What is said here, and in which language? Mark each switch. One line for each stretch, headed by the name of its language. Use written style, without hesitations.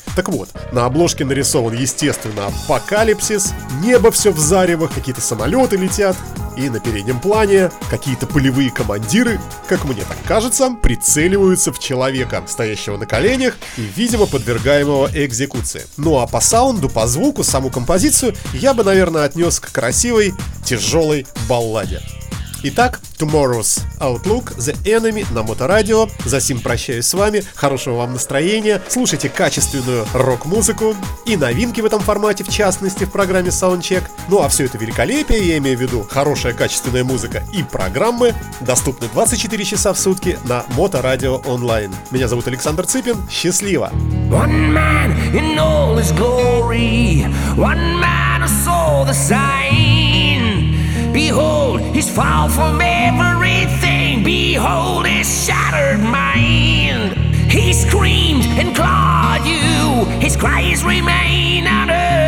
Russian: Так вот, на обложке нарисован, естественно, апокалипсис, небо все в заревах, какие-то самолеты летят, и на переднем плане какие-то полевые командиры, как мне так кажется, прицеливаются в человека, стоящего на коленях и, видимо, подвергаемого экзекуции. Ну а по саунду, по звуку, саму композицию я бы, наверное, отнес к красивой, тяжелой балладе. Итак, Tomorrow's Outlook, The Enemy на Моторадио. За сим прощаюсь с вами, хорошего вам настроения, слушайте качественную рок-музыку и новинки в этом формате, в частности, в программе Soundcheck. Ну а все это великолепие, я имею в виду хорошая качественная музыка и программы, доступны 24 часа в сутки на Моторадио онлайн. Меня зовут Александр Цыпин, счастливо!
English: One man in all his glory, one man who saw the sign. Behold, he's far from everything. Behold, his shattered mind. He screamed and clawed you. His cries remain unheard.